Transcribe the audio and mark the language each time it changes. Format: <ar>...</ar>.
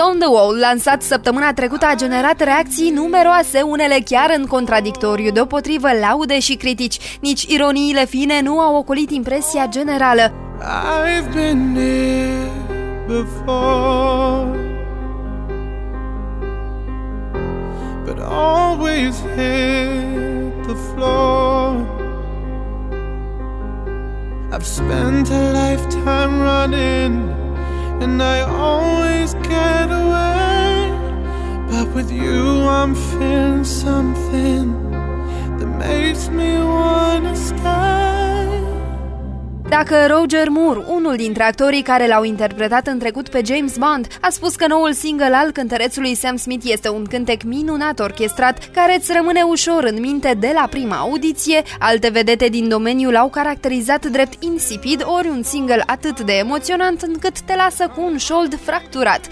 <ro>Wow, lansat săptămâna trecută, a generat reacții numeroase, unele chiar în contradictoriu, deopotrivă laude și critici. Nici ironiile fine nu au ocolit impresia generală.</ro> <en>I've been here before, but always hit the floor. I've spent a lifetime running, and I always get away. But with you I'm feeling something that makes me wanna stay.</en> <ro>Dacă Roger Moore, unul dintre actorii care l-au interpretat în trecut pe James Bond, a spus că noul single al cântărețului Sam Smith este un cântec minunat orchestrat care îți rămâne ușor în minte de la prima audiție, alte vedete din domeniu l-au caracterizat drept insipid, ori un single atât de emoționant încât te lasă cu un șold fracturat.</ro>